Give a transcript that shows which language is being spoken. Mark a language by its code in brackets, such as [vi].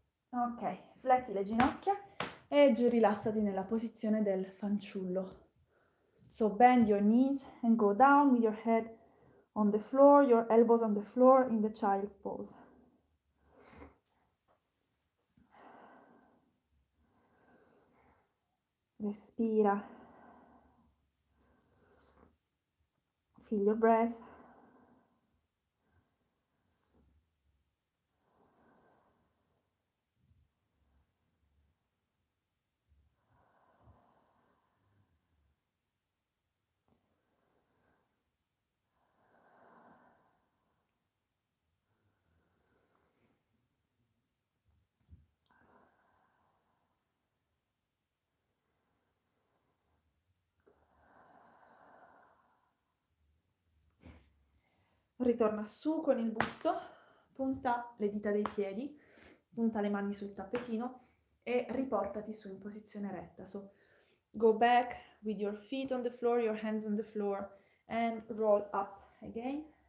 [it] Ok, fletti le ginocchia e giù rilassati nella posizione del fanciullo. [en] So bend your knees and go down with your head on the floor, your elbows on the floor in the child's pose. [it] Respira. [en] Feel your breath. [it] Ritorna su con il busto, punta le dita dei piedi, punta le mani sul tappetino e riportati su in posizione retta. [en] So, go back with your feet on the floor, your hands on the floor and roll up again.